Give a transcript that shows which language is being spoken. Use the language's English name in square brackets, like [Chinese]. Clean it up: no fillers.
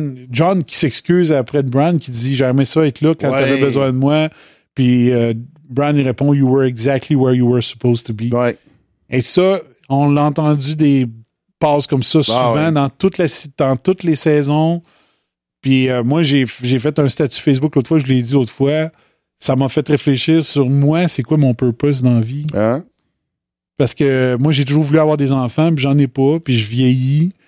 [French] John qui s'excuse après de Bran qui dit j'aimais ça être là quand t'avais besoin de moi. Puis Bran il répond [English] You were exactly where you were supposed to be. [French] Ouais. Et ça, on l'a entendu des passes comme ça souvent dans toutes les saisons. Puis moi, j'ai fait un statut Facebook l'autre fois, je l'ai dit l'autre fois. Ça m'a fait réfléchir sur moi, c'est quoi mon purpose dans la vie. Hein? Parce que moi, j'ai toujours voulu avoir des enfants, puis j'en ai pas, puis je vieillis.